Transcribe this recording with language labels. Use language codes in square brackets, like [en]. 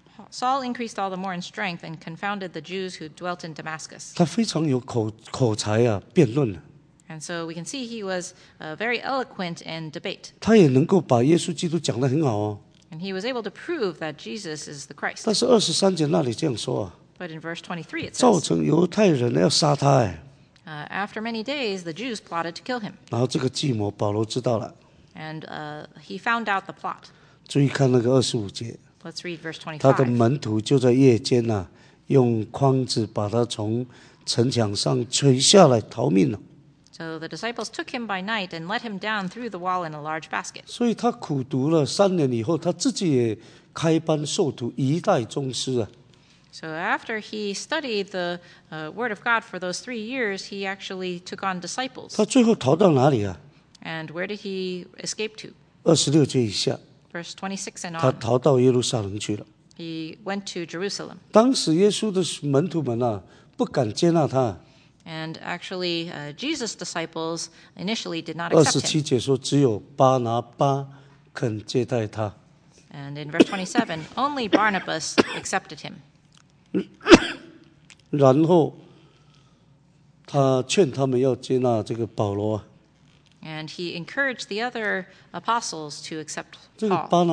[en] Saul increased all the more in strength and confounded the Jews who dwelt in Damascus. [zh] 他非常有口才啊，辩论。 [en] And so we can see he was very eloquent in debate. [zh] 他也能够把耶稣基督讲得很好哦。 [en] And he was able to prove that Jesus is the Christ. [zh] 但是23节那里这样说啊。 [en] But in verse 23, it says, [zh] 造成犹太人要杀他。 [en] After many days, the Jews plotted to kill him. [zh] 然后这个计谋保罗知道了。 [en] And he found out the plot. [zh] 注意看那个25节。 [en] Let's read verse 25. [zh] 他的门徒就在夜间啊， 用筐子把他从城墙上垂下来逃命了。 [en] So the disciples took him by night and let him down through the wall in a large basket. [zh] 所以他苦读了3年以后， 他自己也开班授徒，一代宗师啊。 [en] So after he studied the word of God for those 3 years, he actually took on disciples. [zh] 他最后逃到哪里啊？ [en] And where did he escape to? [zh] 26节以下。 [en] Verse 26 and on. [zh] 他逃到耶路撒冷去了。 [en] He went to Jerusalem. [zh] 当时耶稣的门徒们啊，不敢接纳他。 [en] And actually, Jesus' disciples initially did not accept him. [zh] 27节说只有巴拿巴肯接待他。 [en] And in verse 27, only Barnabas accepted him. [zh] 然后他劝他们要接纳这个保罗。 [en] And he encouraged the other apostles to accept Paul.